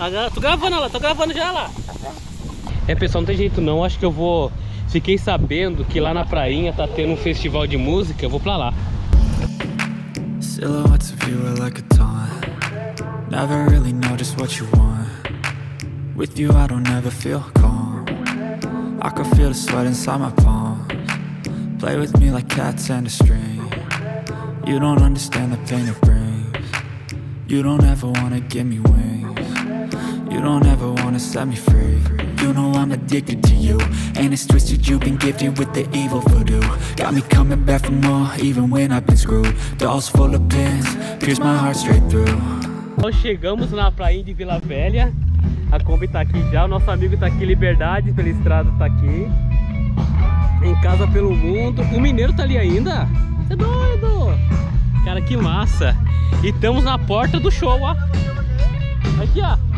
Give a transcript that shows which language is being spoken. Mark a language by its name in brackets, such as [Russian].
[Portuguese] Tô gravando ela, tô gravando já lá. É, pessoal, não tem jeito não. Acho que eu vou... Fiquei sabendo que lá na prainha tá tendo um festival de música. Eu vou pra lá. [English] Silhouettes of you are like a taunt. Never really know just what you want. With you I don't ever feel calm. I can feel the sweat inside my palms. Play with me like cats and a string. You don't understand the pain it brings. You don't ever wanna give me wings. You don't ever wanna set me free. You know I'm addicted to you, and it's twisted, you've been gifted with the evil voodoo. Got me coming back for more, even when I've been screwed. Dolls full of pins, pierce my heart straight through. [Portuguese] Nós chegamos na praia de Vila Velha. A Kombi tá aqui já, o nosso amigo tá aqui, Liberdade, pela estrada tá aqui. Em casa pelo mundo. O mineiro tá ali ainda? Você é doido? Cara, que massa. E estamos na porta do show, ó. Aqui, ó.